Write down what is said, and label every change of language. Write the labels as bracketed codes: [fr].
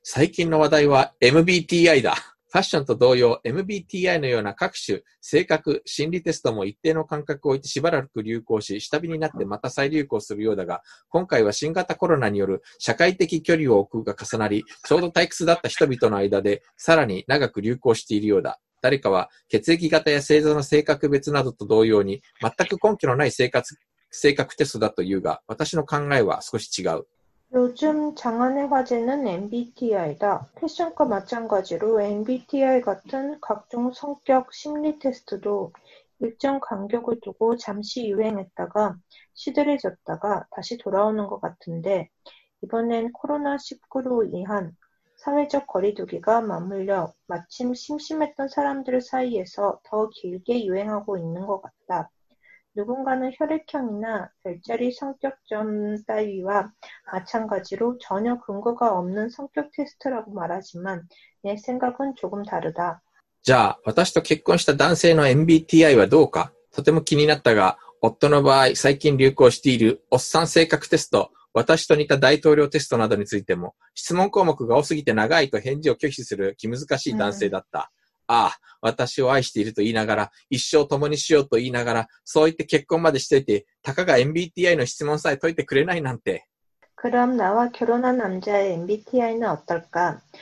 [ja] 最近の話題は MBTI だ。ファッションと同様、MBTI のような各種、性格、心理テストも一定の間隔を置いてしばらく流行し、下火になってまた再流行するようだが、今回は新型コロナによる社会的距離を置くが重なり、ちょうど退屈だった人々の間で、さらに長く流行しているようだ。誰かは血液型や星座の性格別などと同様に、全く根拠のない性格テストだというが、私の考えは少し違う。 [ko] 요즘장안의화제는 MBTI 다. 패션과마찬가지로 MBTI 같은각종성격심리테스트도일정간격을두고잠시유행했다가시들해졌다가다시돌아오는것같은데이번엔코로나19로 인한 사회적 거리두기가 맞물려 마침 심심했던 사람들 사이에서 더 길게 유행하고 있는 것 같다. 누군가는 혈액형이나 별자리 성격점 따위와 마찬가지로 전혀 근거가 없는 성격 테스트라고 말하지만 내 생각은 조금 다르다. [ja] じゃあ、私と結婚した男性の MBTI はどうか？とても気になったが、夫の場合、最近流行しているおっさん性格テスト、私と似た大統領テストなどについても、質問項目が多すぎて長いと返事を拒否する気難しい男性だった。ああ、私を愛していると言いながら、一生共にしようと言いながら、そう言って結婚までしていて、たかが MBTI の質問さえ解いてくれないなんて。 [ko] 그럼나와결혼한남자의 MBTI 는어떨까?